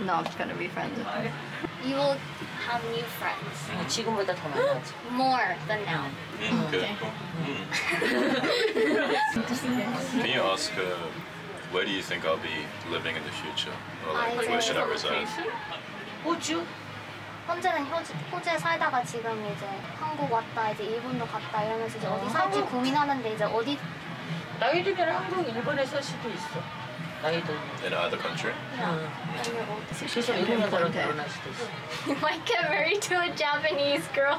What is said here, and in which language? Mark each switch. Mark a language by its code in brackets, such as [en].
[en] No, I'm going to be friends. You will have new friends. More than now. Good. Can you ask her, where do you think I'll be living in the future? Or like, where should I reside? [ko] 호주. 현재는 호주에 살다가 지금 이제 한국 왔다 이제 일본도 갔다 이러면서 이제 어디 살지 고민하는데 이제 어디 나이 들면 한국 일본에 살 수도 있어. 나이 들면. [en] In either country? Yeah. [ko] 아니면 어디서 일본 사람 만날 수도 있어. [en] You might get married to a Japanese girl.